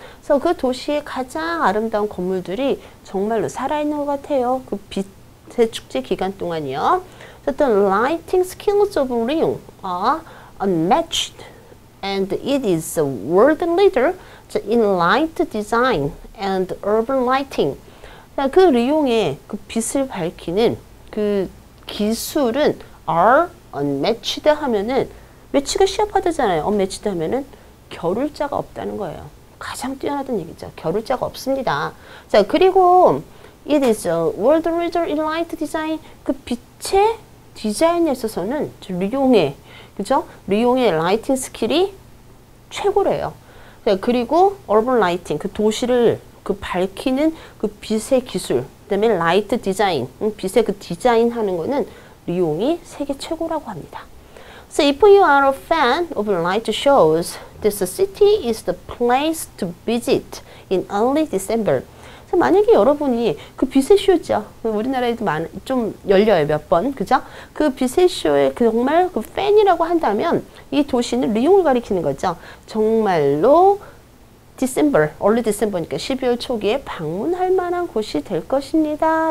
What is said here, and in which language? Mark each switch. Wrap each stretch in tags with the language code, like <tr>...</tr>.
<ko>그래서 그 도시의 가장 아름다운 건물들이 정말로 살아있는 것 같아요. 그 빛의 축제 기간 동안이요.</ko> <en>So the lighting skills of Lyon are unmatched and it is a world leader in light design and urban lighting.</en> <ko>그 리옹의 그 빛을 밝히는 그 기술은</ko> <en>are unmatched</en> <ko>하면은 매치가 시합하다잖아요. unmatched 하면은 겨룰 자가 없다는 거예요. 가장 뛰어나던 얘기죠. 겨룰 자가 없습니다. 자, 그리고</ko> <en>it is a world leader in light design.</en> <ko>그 빛의 디자인에 있어서는 리옹의, 그죠? 리옹의 라이팅 스킬이 최고래요. 자, 그리고 urban lighting, 그 도시를 그 밝히는 그 빛의 기술, 그 다음에 light design, 빛의 그 디자인 하는 거는 리옹이 세계 최고라고 합니다.</ko> <en>So if you are a fan of light shows, this city is the place to visit in early December.</en> <ko>So 만약에 여러분이 그 빛의 쇼죠. 우리나라에도 좀 열려요, 몇 번. 그죠? 그 빛의 쇼에 정말 그 팬이라고 한다면 이 도시는 리옹을 가리키는 거죠. 정말로 December, early December니까 12월 초기에 방문할 만한 곳이 될 것입니다.</ko>